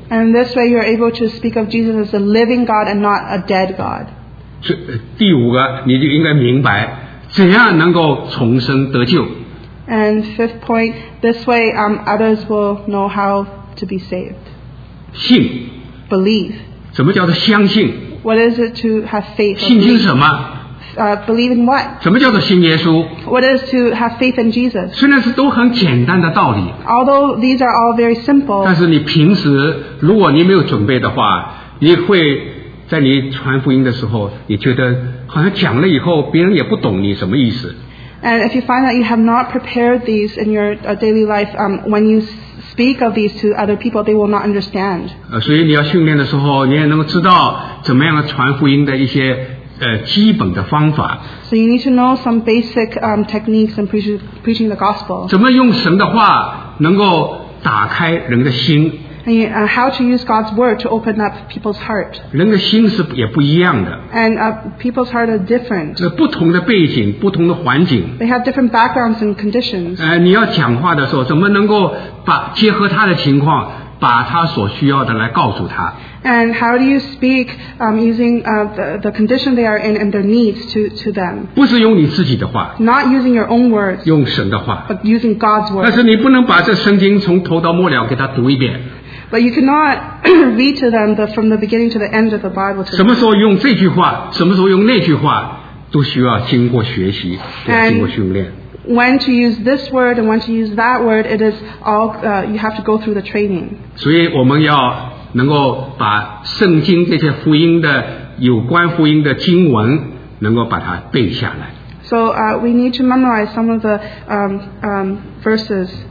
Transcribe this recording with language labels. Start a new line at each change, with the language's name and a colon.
English: And this way, you're able to speak of Jesus as a living God and not a dead God.
Chinese: 第五个，你就应该明白怎样能够重生得救。
English: And fifth point, this way, others will know how to be saved.
Chinese: 信。
English: Believe.
Chinese: 怎么叫做相信？
English: What is it to have faith?
Chinese: 信心什么？
English: Believe in what?
Chinese: 什么叫做信耶稣?
English: What is to have faith in Jesus?
Chinese: 虽然是都很简单的道理,
English: although these are all very simple,
Chinese: 但是你平时如果你没有准备的话，你会在你传福音的时候，你觉得好像讲了以后，别人也不懂你什么意思。
English: And if you find that you have not prepared these in your daily life, when you speak of these to other people, they will not understand.
Chinese: 所以你要训练的时候, 你也能够知道怎么样传福音的一些 基本的方法,
English: so you need to know some basic techniques in preaching the gospel.
Chinese: 怎么用神的话能够打开人的心,
English: and how to use God's word to open up people's heart.
Chinese: 人的心是也不一样的,
English: and people's heart are different.
Chinese: 不同的背景, 不同的环境,
English: they have different backgrounds and conditions.
Chinese: 你要讲话的时候, 怎么能够把, 结合他的情况, 把他所需要的来告诉他,
English: and how do you speak using the condition they are in and their needs to them?
Chinese: 不是用你自己的话,
English: not using your own words,
Chinese: 用神的话,
English: but using God's words.
Chinese: 但是你不能把这圣经从头到末了给他读一遍,
English: but you cannot read to them from the beginning to the end of the Bible to them.
Chinese: 什么时候用这句话, 什么时候用那句话, 都需要经过学习, 都经过训练。
English: When to use this word and when to use that word, it is all you have to go through the training.
Chinese: 所以我们要能够把圣经这些福音的有关福音的经文能够把它背下来。
English: So we need to memorize some of the verses.